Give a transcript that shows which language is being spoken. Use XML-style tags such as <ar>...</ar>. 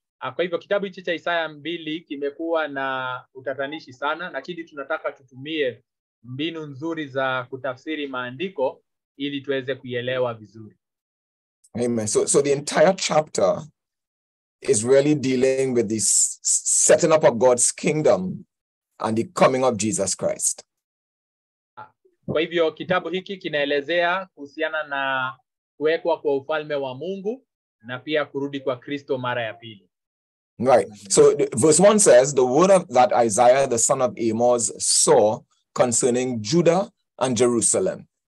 <sw>Kwa hivyo kitabu hichi cha Isaya 2 kimekuwa na utatanishi sana, lakini tunataka tutumie mbinu nzuri za kutafsiri maandiko ili tuweze kuielewa vizuri. Amen.</sw> <en>So the entire chapter is really dealing with this setting up of God's kingdom and the coming of Jesus Christ.</en> <sw>Kwa hivyo kitabu hiki kinaelezea kuhusiana na kuwekwa kwa ufalme wa Mungu na pia kurudi kwa Kristo mara ya pili.</sw> <en>Right. So verse 1 says, the word of that Isaiah, the son of Amoz, saw concerning Judah and Jerusalem.</en>